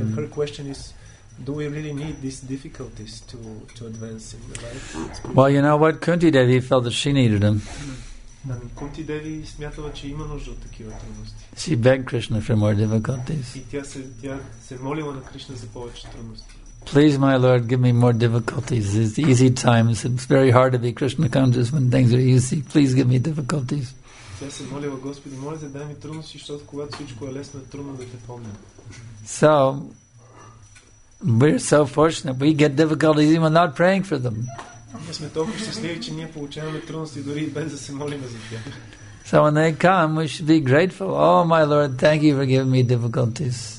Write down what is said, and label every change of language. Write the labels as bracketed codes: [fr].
[en] And her question is, do we really need these difficulties to advance in the life? Well, you know what, Kunti Devi felt that she needed them. [bg] Kunti Devi smятала, че има нужда от такива трудности. [en] She begged Krishna for more difficulties. [bg] И тя се молила на Кришна за повече трудности. [en] Please, my Lord, give me more difficulties. It's easy times. It's very hard to be Krishna conscious when things are easy. Please give me difficulties. [bg] Тя се молила, Господи, моля се, дай ми трудности, защото когато всичко е лесно, е трудно да те помня. [en] So, we're so fortunate. We get difficulties even not praying for them. [bg] Ние сме толкова щастливи, че ние получаваме трудности дори без да се молим за тях. [en] So when they come, we should be grateful. Oh, my Lord, thank you for giving me difficulties.